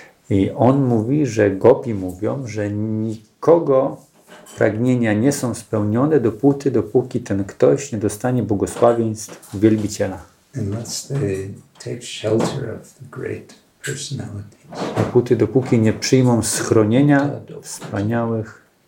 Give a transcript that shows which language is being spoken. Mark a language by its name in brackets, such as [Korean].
[Polish] I on mówi, że gopi mówią, że nikogo pragnienia nie są spełnione dopóki ten ktoś nie dostanie błogosławieństw wielbiciela. [English] Unless they take shelter of the great personalities. [Polish] Dopóki nie przyjmą schronienia wspaniałych